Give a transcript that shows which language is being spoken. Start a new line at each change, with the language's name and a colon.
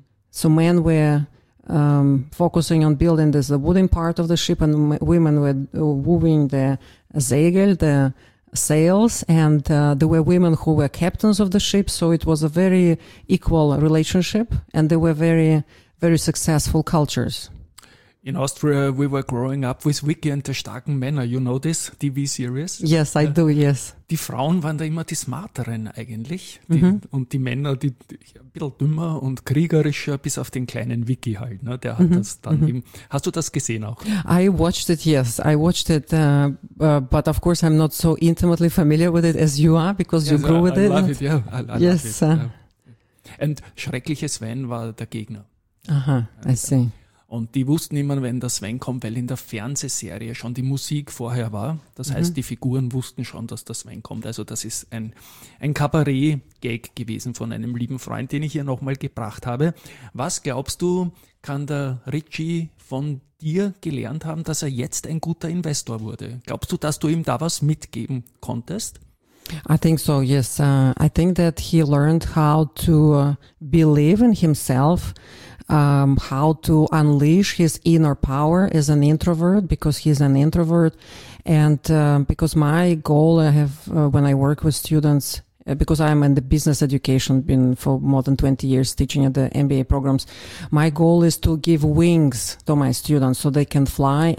English: So men were focusing on building this, the wooden part of the ship, and women were wooing the segel, the sails, and there were women who were captains of the ship, so it was a very equal relationship, and they were very, very successful cultures. In Austria, we were growing up with Vicky and the
German: starken Männer,
English: you know this TV series? Yes, I do, yes.
German: Die Frauen waren da immer die smarteren eigentlich, die, mm-hmm. und die Männer, die, die ein bisschen dümmer und kriegerischer, bis auf den kleinen Vicky halt, ne? Der hat mm-hmm. das dann mm-hmm. eben, hast du das gesehen auch?
English: I watched it, yes, I watched it, but of course I'm not so intimately familiar with it as you are, because you grew with it. I love it.
German: And schreckliche Sven war der Gegner.
English: Aha, I see.
German: Und die wussten immer, wenn der Sven kommt, weil in der Fernsehserie schon die Musik vorher war. Das mhm. heißt, die Figuren wussten schon, dass der Sven kommt. Also das ist ein Kabarett-Gag gewesen von einem lieben Freund, den ich hier nochmal gebracht habe. Was glaubst du, kann der Richie von dir gelernt haben, dass er jetzt ein guter Investor wurde? Glaubst du, dass du ihm da was mitgeben konntest?
English: I think so, yes. I think that he learned how to believe in himself, how to unleash his inner power as an introvert, because he's an introvert. And because my goal I have when I work with students, because I'm in the business education, been for more than 20 years teaching at the MBA programs, my goal is to give wings to my students so they can fly.